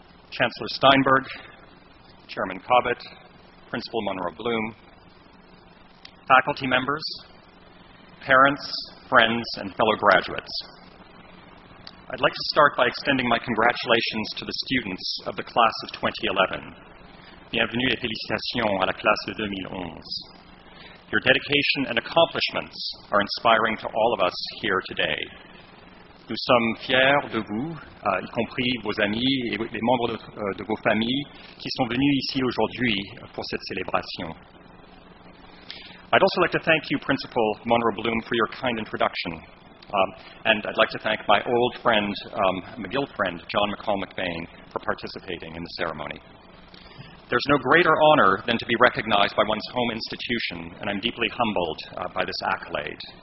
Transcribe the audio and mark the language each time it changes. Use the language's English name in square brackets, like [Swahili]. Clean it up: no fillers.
[English] Chancellor Steinberg, Chairman Cobbett, Principal Monroe Bloom, faculty members, parents, friends, and fellow graduates. I'd like to start by extending my congratulations to the students of the class of 2011. [French] Bienvenue et félicitations à la classe de 2011. [English] Your dedication and accomplishments are inspiring to all of us here today. [French] Nous sommes fiers de vous, y compris vos amis et les membres de vos familles qui sont venus ici aujourd'hui pour cette célébration. [English] I'd also like to thank you, Principal Monroe Bloom, for your kind introduction. And I'd like to thank my old friend, McGill friend, John McCall McBain, for participating in the ceremony. There's no greater honor than to be recognized by one's home institution, and I'm deeply humbled by this accolade.